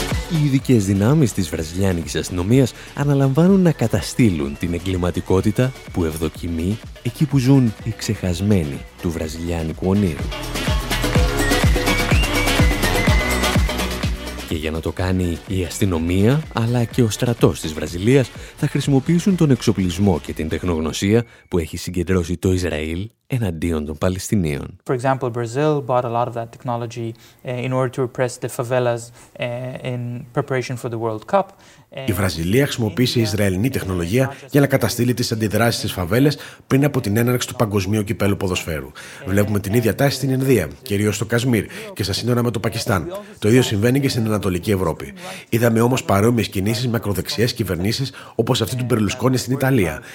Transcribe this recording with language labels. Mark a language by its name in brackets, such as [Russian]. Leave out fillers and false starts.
[Greek] Οι ειδικές δυνάμεις της βραζιλιάνικης αστυνομίας αναλαμβάνουν να καταστήλουν την εγκληματικότητα που ευδοκιμεί εκεί που ζουν οι ξεχασμένοι του βραζιλιάνικου ονείρου. Και για να το κάνει η αστυνομία αλλά και ο στρατός της Βραζιλίας θα χρησιμοποιήσουν τον εξοπλισμό και την τεχνογνωσία που έχει συγκεντρώσει το Ισραήλ εναντίον των Παλαιστινίων. [English] For example, Brazil bought a lot of that technology in order to repress the favelas in preparation for the World Cup. [Greek] Η Βραζιλία χρησιμοποίησε Ισραηλινή τεχνολογία για να καταστήλει τις αντιδράσεις στις φαβέλες πριν από την έναρξη του Παγκοσμίου Κυπέλλου Ποδοσφαίρου. Βλέπουμε την ίδια τάση στην Ινδία, κυρίως στο Κασμίρ και στα σύνορα με το Πακιστάν. Το ίδιο συμβαίνει και στην Ανατολική Ευρώπη. Είδαμε όμως παρόμοιες κινήσεις με ακροδεξιές κυβερνήσεις όπως αυτή του Μπερλουσκόνη στην Ιταλία.